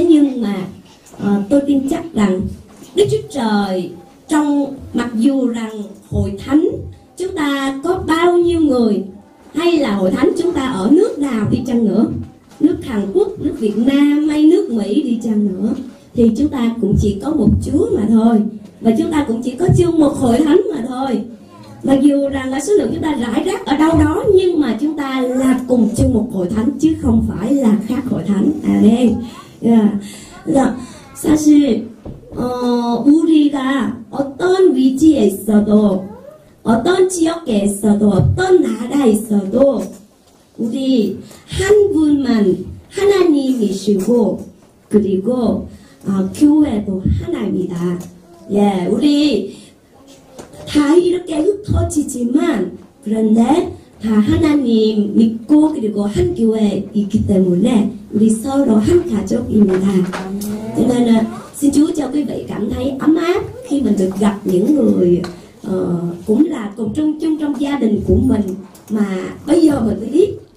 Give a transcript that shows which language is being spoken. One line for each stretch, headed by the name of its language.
Korean: 하지만
Vietnamese: tin chắc rằng Đức Chúa Trời trong mặc dù rằng hội thánh chúng ta có bao nhiêu người hay là hội thánh chúng ta ở nước nào đi chăng nữa, nước Hàn Quốc, nước Việt Nam hay nước Mỹ đi chăng nữa, thì chúng ta cũng chỉ có một Chúa mà thôi. Và chúng ta cũng chỉ có chung một hội thánh mà thôi. Mặc dù rằng là số lượng chúng ta rải rác ở đâu đó, nhưng mà chúng ta là cùng chung một hội thánh chứ không phải là khác hội thánh.
English: Amen. Yeah.
Korean: 사실 우리가 어떤 위치에 있어도 어떤 지역에 있어도 어떤 나라에 있어도 우리 한 분만 하나님이시고 그리고 교회도 하나입니다. 예, 우리 다 이렇게 흩어지지만 그런데 다 하나님 믿고 그리고 한 교회 있기 때문에 우리 서로 한 가족입니다. 그러면은
Vietnamese: xin Chúa cho quý vị cảm thấy ấm áp khi mình được gặp những người cũng là cùng chung chung trong gia đình của mình mà bây giờ mình mới biết.